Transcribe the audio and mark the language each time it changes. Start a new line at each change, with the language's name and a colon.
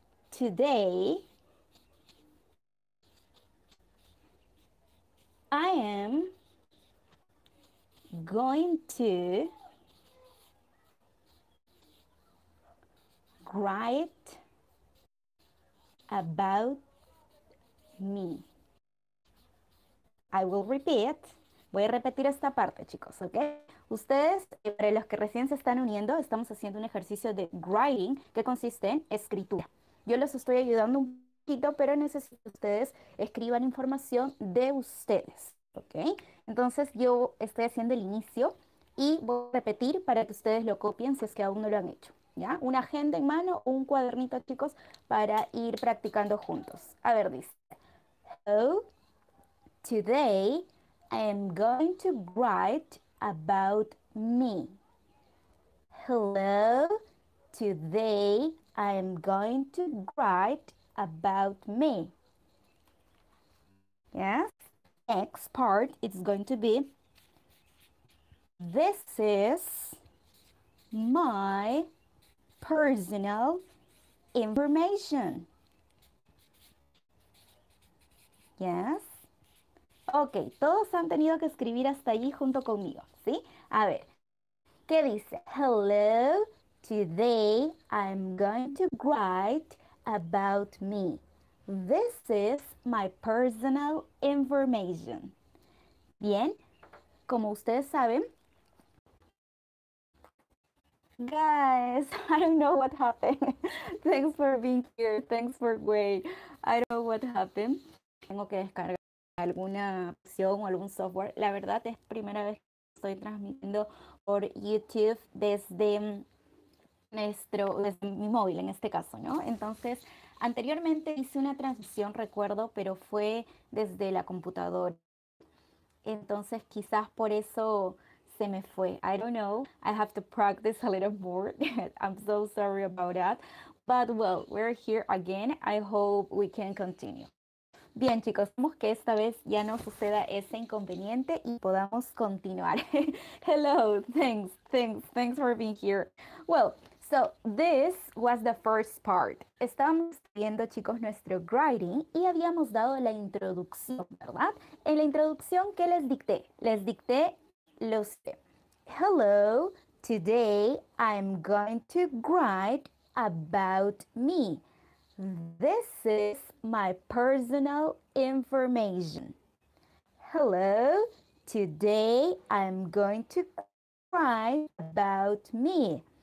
English: Today, I am going to write about me. I will repeat.
Spanish: Voy a repetir esta parte, chicos, ¿ok? Ustedes, para los que recién se están uniendo, estamos haciendo un ejercicio de writing que consiste en escritura. Yo les estoy ayudando un poquito, pero necesito que ustedes escriban información de ustedes. Okay. Entonces yo estoy haciendo el inicio y voy a repetir para que ustedes lo copien si es que aún no lo han hecho. ¿Ya? Una agenda en mano, un cuadernito, chicos, para ir practicando juntos. A ver, dice.
English: Oh, today I am going to write about me. Hello, today I am going to write about me. Yes. Next part, it's going to be, this is my personal information. Yes.
Spanish: Ok, todos han tenido que escribir hasta allí junto conmigo, ¿sí? A ver, ¿qué dice?
English: Hello, today I'm going to write about me. This is my personal information.
Spanish: Bien, como ustedes saben.
English: Guys, I don't know what happened. Thanks for being here. Thanks for waiting. I don't know what happened.
Spanish: Tengo que descargar alguna opción o algún software. La verdad es primera vez que estoy transmitiendo por YouTube desde mi móvil en este caso, ¿no? Entonces, Anteriormente hice una transmisión, recuerdo, pero fue desde la computadora. Entonces, quizás por eso se me fue.
English: I don't know. I have to practice a little more. I'm so sorry about that. But well, we're here again. I hope we can continue.
Spanish: Bien, chicos, esperemos que esta vez ya no suceda ese inconveniente y podamos continuar.
English: Hello, thanks for being here. Well, so this was the first part.
Spanish: Estábamos viendo, chicos, nuestro grading y habíamos dado la introducción, ¿verdad? En la introducción, ¿qué les dicté? Les dicté lo siguiente.
English: Hello, today I'm going to grade about me. This is my personal information. Hello, today I'm going to cry about me.